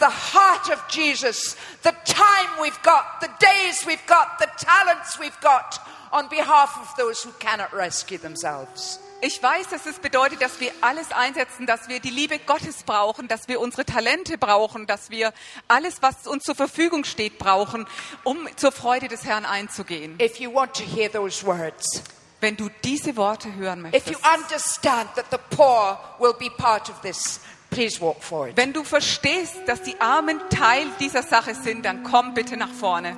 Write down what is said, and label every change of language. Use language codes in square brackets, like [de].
[en] That we use the heart of Jesus, the time we've got, the days we've got, the talents we've got, on behalf of those who cannot rescue themselves. [de] Ich weiß, dass es bedeutet, dass wir alles einsetzen, dass wir die Liebe Gottes brauchen, dass wir unsere Talente brauchen, dass wir alles, was uns zur Verfügung steht, brauchen, um zur Freude des Herrn einzugehen. [en] If you want to hear those words, [de] wenn du diese Worte hören möchtest, [en] if you understand that the poor will be part of this, please walk forward. [de] Wenn du verstehst, dass die Armen Teil dieser Sache sind, dann komm bitte nach vorne.